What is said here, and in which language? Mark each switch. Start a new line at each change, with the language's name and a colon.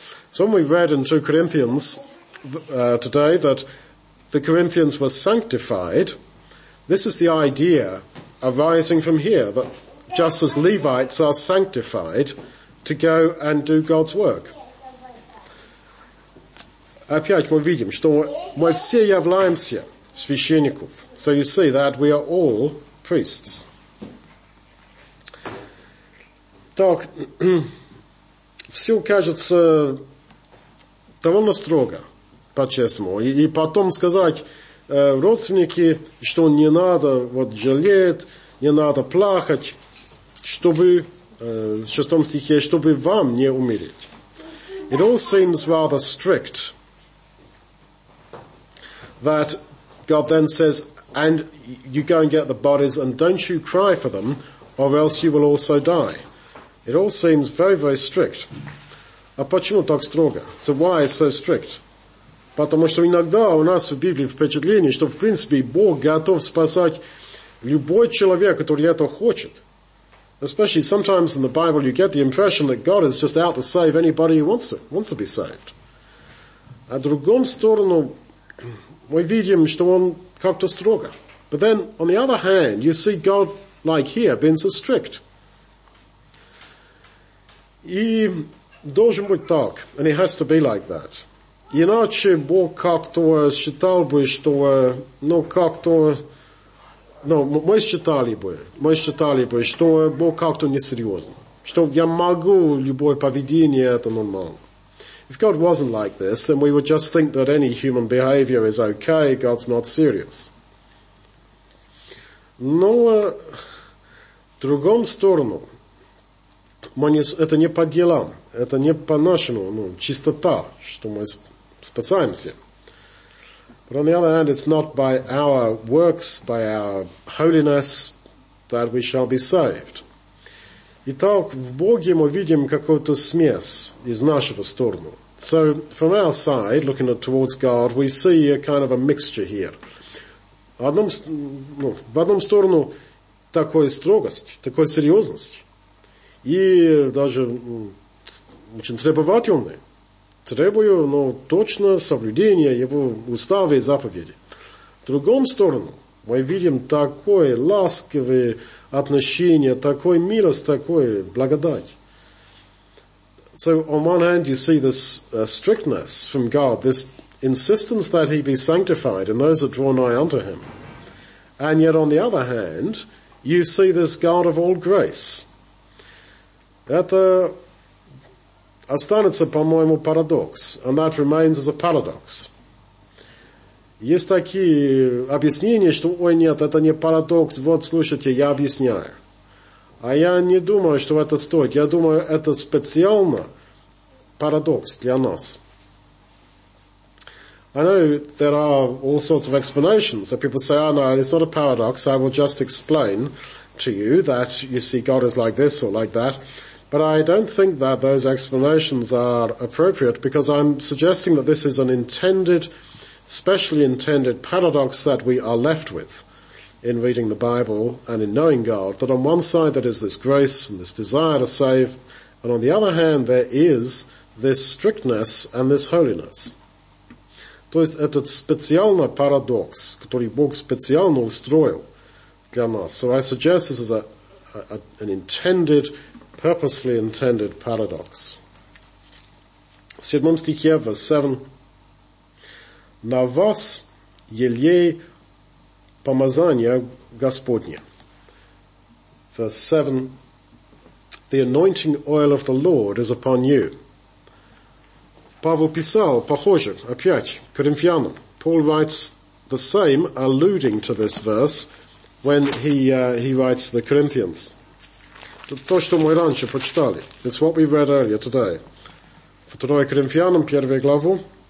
English: So we read in 2 Corinthians today that the Corinthians were sanctified. This is the idea arising from here, that just as Levites are sanctified to go and do God's work.
Russian: Опять мы видим, что мы все являемся священников.
English: So you see that we are all priests.
Russian: Так, все кажется довольно строго, по-честному. И потом сказать родственники, что не надо вот жалеть, не надо плакать, чтобы, в шестом стихе, чтобы вам не умереть.
English: It all seems rather strict that God then says, And you go and get the bodies, and don't you cry for them, or else you will also die. It all seems very, very strict.
Russian: А почему так строго?
English: So why is so strict?
Russian: Потому что иногда у нас в Библии впечатление, что в принципе Бог готов спасать любой человек, который это хочет.
English: Especially sometimes in the Bible you get the impression that God is just out to save anybody who wants to be saved.
Russian: А другом сторону мы видим, что он как-то строго.
English: But then, on the other hand, you see God, like here, being so strict.
Russian: И должен быть так,
English: and it has to be like that.
Russian: Иначе Бог как-то считал бы, что, ну, как-то, ну, мы считали бы, что Бог как-то несерьезно. Что я могу любое поведение, это нормально.
English: If God wasn't like this, then we would just think that any human behavior is okay, God's not serious.
Russian: Но в другом сторону, это не по делам, это не по нашему, ну, чистота, что мы спасаемся.
English: But on the other hand, it's not by our works, by our holiness, that we shall be saved.
Russian: Итак, в Боге мы видим какую-то смесь из нашего сторону.
English: So, from our side, looking towards God, we see a kind of a mixture here.
Russian: В одном сторону такой строгость, такой серьезность, и даже очень требовательный. Требую, но точно соблюдение его устава и заповеди. В другом сторону мы видим такое ласковое отношение, такой милость, такой благодать.
English: So on one hand you see this strictness from God, this insistence that he be sanctified and those that draw nigh unto him. And yet on the other hand, you see this God of all grace.
Russian: Это останется, по-моему, парадокс,
English: and that remains as a paradox.
Russian: Есть такие объяснения, что, ой, нет, это не парадокс, вот, слушайте, я объясняю. А я не думаю, что это стоит. Я думаю, это специально парадокс для нас.
English: I know there are all sorts of explanations that people say, oh no, it's not a paradox, I will just explain to you that, you see, God is like this or like that. But I don't think that those explanations are appropriate because I'm suggesting that this is an intended, specially intended paradox that we are left with. In reading the Bible and in knowing God, that on one side there is this grace and this desire to save, and on the other hand there is this strictness and this holiness.
Russian: То есть этот специальный парадокс, который Бог специально устроил для нас.
English: So I suggest this is an intended, purposefully intended paradox.
Russian: Седьмом стихе,
English: verse 7.
Russian: На вас елей помазание Господне.
English: Verse 7. The anointing oil of the Lord is upon you.
Russian: Павел писал, похоже, опять, Коринфянам.
English: Paul writes the same, alluding to this verse, when he writes the Corinthians.
Russian: То, что мы раньше почитали.
English: It's what we read earlier today.
Russian: Второе Коринфянам, первую главу.